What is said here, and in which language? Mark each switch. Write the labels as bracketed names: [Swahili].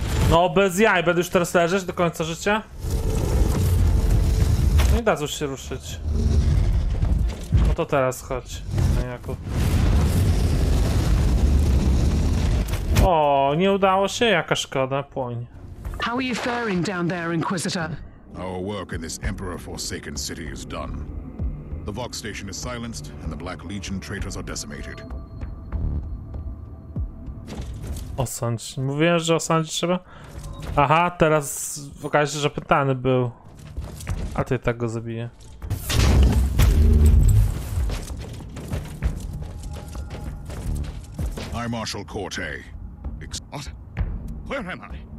[Polish] No bez jaj, będę już teraz leżeć do końca życia? Nie dadzą się ruszyć. No to teraz chodź. Jako. O, nie udało się, jaka szkoda, płoń. [English] How are you faring down there, Inquisitor? Our work in this emperor-forsaken city is done. The Vox station is silenced and the Black Legion traitors are decimated. [Polish] Osądź. Mówiłem, że osądzić trzeba. Aha, teraz okaże się, że pytany był. A ty tak go zabiję. [English] I Marshal Corte. What? Where am I?